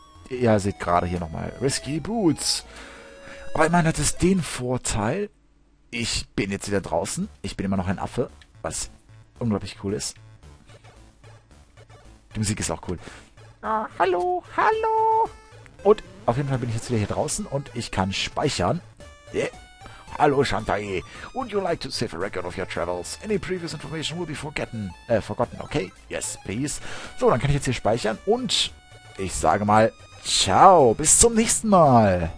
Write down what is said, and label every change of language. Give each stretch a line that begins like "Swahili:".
German: Ihr seht gerade hier nochmal Risky Boots. Aber ich meine, hat es den Vorteil, ich bin jetzt wieder draußen. Ich bin immer noch ein Affe, was unglaublich cool ist. Die Musik ist auch cool. Ah, hallo, hallo. Und auf jeden Fall bin ich jetzt wieder hier draußen und ich kann speichern. Yeah. Hallo, Shantai.
English: Would you like to save a record of your travels? Any previous information will be forgotten, okay? Yes, please.
German: So, dann kann ich jetzt hier speichern und ich sage mal, ciao, bis zum nächsten Mal.